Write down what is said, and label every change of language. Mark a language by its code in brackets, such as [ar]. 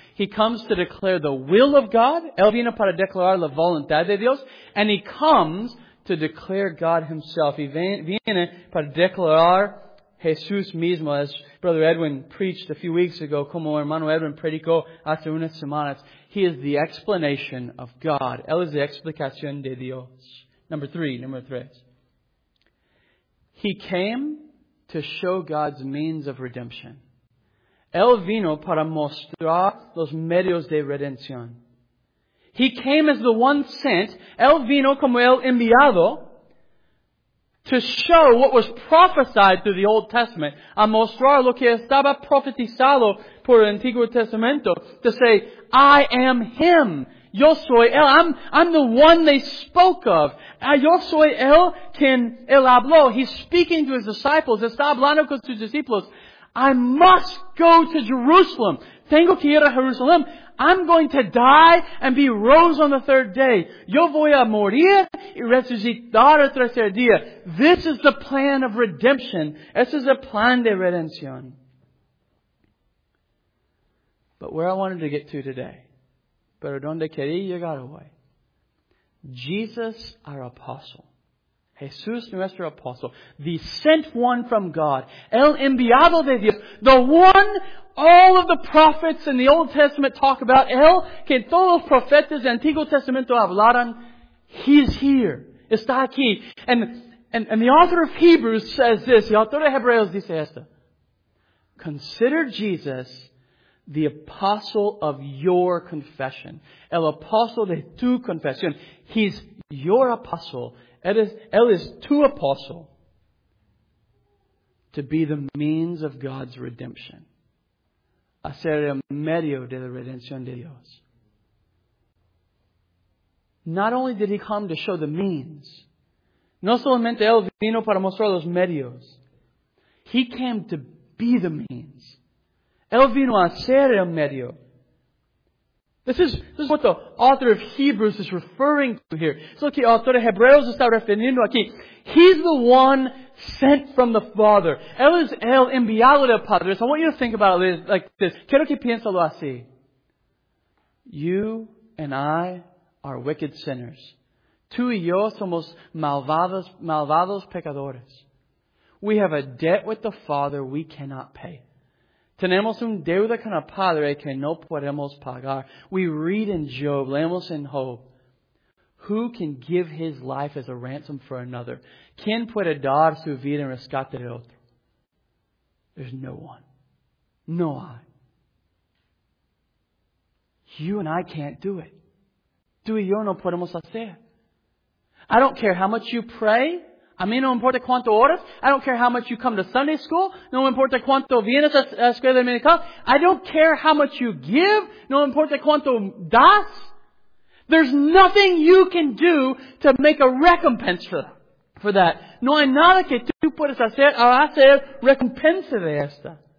[en] He comes to declare the will of God. [es] Él vino para declarar la voluntad de Dios. [en] And he comes to declare God himself. [es] He viene para declarar Jesús mismo, [en] as Brother Edwin preached a few weeks ago, [es] como hermano Edwin predicó hace unas semanas. [en] He is the explanation of God. [es] Él es la explicación de Dios. [en] Number three. He came to show God's means of redemption. [es] Él vino para mostrar los medios de redención. [en] He came as the one sent. [es] Él vino como el enviado. [en] To show what was prophesied through the Old Testament. [es] A mostrar lo que estaba profetizado por el Antiguo Testamento. [en] To say, I am Him. [es] Yo soy Él. [en] I'm the one they spoke of. [es] Yo soy Él quien Él habló. [en] He's speaking to His disciples. [es] Está hablando con sus discípulos. [en] I must go to Jerusalem. [es] Tengo que ir a Jerusalem. [en] I'm going to die and be rose on the third day. [es] Yo voy a morir y resucitar el tercer día. [en] This is the plan of redemption. [es] Este es el plan de redención. [en] But where I wanted to get to today, [es] pero donde quería llegar hoy, [en] Jesus, our apostle, [es] Jesús, nuestro apóstol, [en] the sent one from God, [es] el enviado de Dios, [en] the one all of the prophets in the Old Testament talk about, [es] el que todos los profetas del Antiguo Testamento hablaron, [en] he's here, [es] está aquí. [en] And the author of Hebrews says this, [es] el autor de Hebreos dice esto, [en] consider Jesus the apostle of your confession, [es] el apóstol de tu confesión, [en] he's your apostle. Él is tu apostle to be the means of God's redemption. [es] A ser el medio de la redención de Dios. [en] Not only did he come to show the means. [es] No solamente él vino para mostrar los medios. [en] He came to be the means. [es] Él vino a ser el medio. [en] This is what the author of Hebrews is referring to here. [es] So que el autor de Hebreos está refiriendo aquí. [en] He's the one sent from the Father. [es] Él es el enviado del Padre. [en] So I want you to think about it like this. [es] Quiero que piénsalo así. [en] You and I are wicked sinners. [es] Tú y yo somos malvados pecadores. [en] We have a debt with the Father we cannot pay. [es] Tenemos un deuda con el Padre que no podemos pagar. [en] We read in Job, [es] leemos en Job, [en] who can give his life as a ransom for another? [es] ¿Quién puede dar su vida en rescate de otro? [en] There's no one. No I. You and I can't do it. [es] Tú y yo no podemos hacer. [en] I don't care how much you pray. [es] A mí no importa cuánto oras. [en] I don't care how much you come to Sunday school. [es] No importa cuánto vienes a la escuela dominical. [en] I don't care how much you give. [es] No importa cuánto das. [en] There's nothing you can do to make a recompense for that. [es] No hay nada que tú puedas hacer para hacer recompensa de esta.